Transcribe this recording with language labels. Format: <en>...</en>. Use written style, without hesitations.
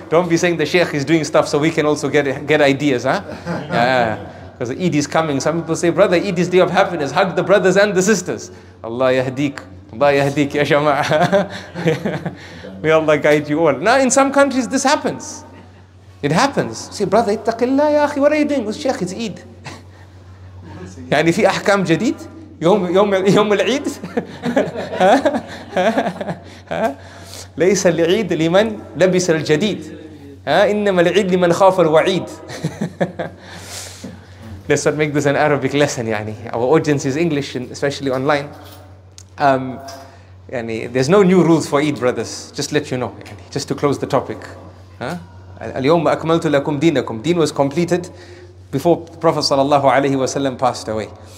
<en>Don't be saying the sheikh is doing stuff so we can also get ideas, huh? Because Eid is coming. Some people say, brother, Eid is day of happiness. Hug the brothers and the sisters.</en> <ar>Allah yahdik. Allah yahdik, ya shama'a.</ar> <en>May Allah guide you all. Now, in some countries, this happens. It happens. Say, brother,</en> <ar>ittaqillah, ya akhi,</ar> <en>what are you doing? Well, sheikh, it's Eid.</en> <ar>يعني في أحكام جديد يوم العيد ليس العيد لمن لبس الجديد إنما العيد لمن خاف الوعيد.</ar> <en>Let's not make this an Arabic lesson. يعني our audience is English, especially online. يعني there's no new rules for Eid, brothers. Just let you know. يعني just to close the topic.</en> <ar>اليوم أكملت لكم دينكم.</ar> <en>Deen was completed before the Prophet sallallahu alayhi wa sallam passed away.</en>